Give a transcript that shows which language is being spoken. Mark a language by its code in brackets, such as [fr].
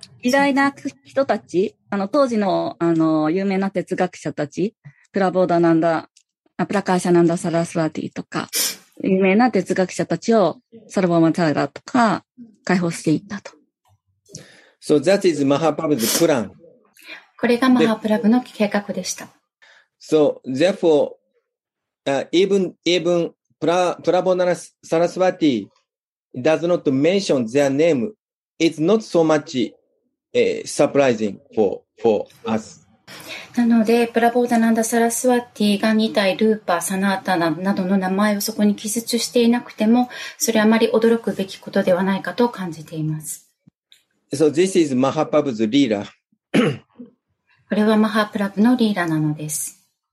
[ja] 偉大な人たち、当時 の有名な哲学者たち、プラボーダナンダ、プラカーシャナンダサラスワティとか、有名な哲学者たちをサルボマチャラとか解放していったと。 [en] So that is Mahaprabhu's plan. [ja] これがマハプラブの計画でした。 [en] So therefore, even Prabhupada Saraswati does not mention their name, it's not so much surprising for us. [ja] なのでプラボーダナンダサラスワティが2体ルーパーサナータナなどの名前をそこに記述していなくてもそれはあまり驚くべきことではないかと感じています。 [en] So this is Mahaprabhu's Leela. [ja] これはマハプラブのリーラなのです。